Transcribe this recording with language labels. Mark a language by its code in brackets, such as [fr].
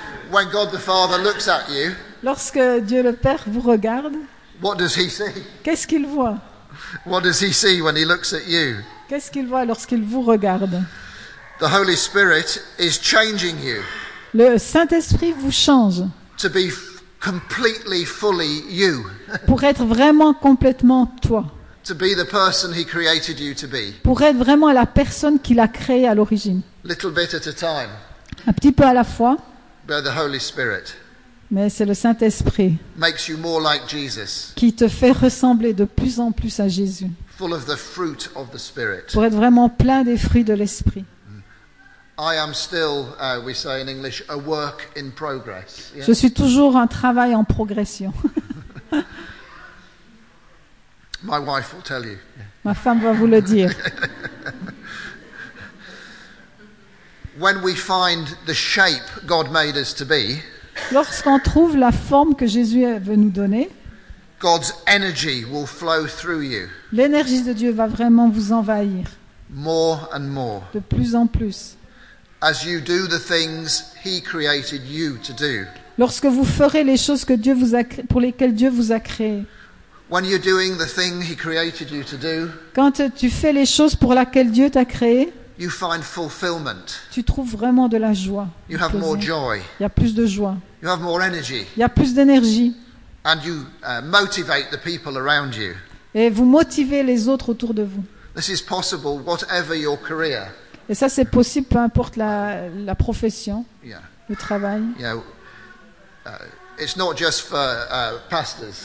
[en] When God the Father looks at you. [fr] Lorsque Dieu le Père vous regarde. [en] What does he see? [fr] Qu'est-ce qu'il voit? [en] What does he see when he looks at you? [fr] Qu'est-ce qu'il voit lorsqu'il vous regarde? [en] The Holy Spirit is changing you. [fr] Le Saint-Esprit vous change. [en] To be completely fully you. [fr] Pour être vraiment complètement toi. [en] To be the person he created you to be. [fr] Pour être vraiment la personne qu'il a créée à l'origine. [en] Little bit at a time. [fr] Un petit peu à la fois. [en] By the Holy Spirit. [fr] Mais c'est le Saint-Esprit [en] makes you more like Jesus, [fr] qui te fait ressembler de plus en plus à Jésus [en] full of the fruit of the Spirit. [fr] Pour être vraiment plein des fruits de l'Esprit. [en] I am still, we say in English, a work in progress. Yeah? [fr] Je suis toujours un travail en progression. [en] My wife will tell you. [fr] Ma femme va vous le dire. [en] When we find the shape God made us to be, [fr] lorsqu'on trouve la forme que Jésus veut nous donner, [en] God's energy will flow through you. [fr] L'énergie de Dieu va vraiment vous envahir. [en] More and more. [fr] De plus en plus. [en] As you do the things he created you to do. [fr] Lorsque vous ferez les choses que Dieu vous a, pour lesquelles Dieu vous a créé. [en] When you're doing the thing he created you to do. [fr] Quand tu fais les choses pour lesquelles Dieu t'a créé. [en] You find fulfillment. [fr] Tu trouves vraiment de la joie. [en] You have more joy. [fr] Il y a plus de joie. [en] You have more energy. [fr] Il y a plus d'énergie. [en] And you motivate the people around you. [fr] Et vous motivez les autres autour de vous. [en] This is possible, whatever your career. [fr] Et ça, c'est possible, peu importe la profession, yeah. Le travail. Yeah. [en] It's not just for pastors.